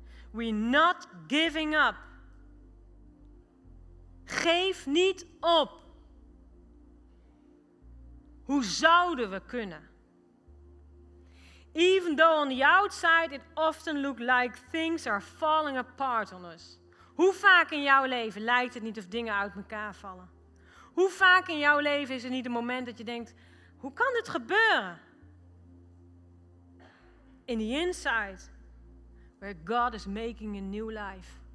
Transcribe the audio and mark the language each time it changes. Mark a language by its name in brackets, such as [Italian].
[English] We're not giving up. [Dutch] Geef niet op. Hoe zouden we kunnen? [English] Even though on the outside it often looks like things are falling apart on us. [Dutch] Hoe vaak in jouw leven lijkt het niet of dingen uit elkaar vallen? Hoe vaak in jouw leven is er niet een moment dat je denkt, hoe kan dit gebeuren? [English] In the inside, where God is making a new life.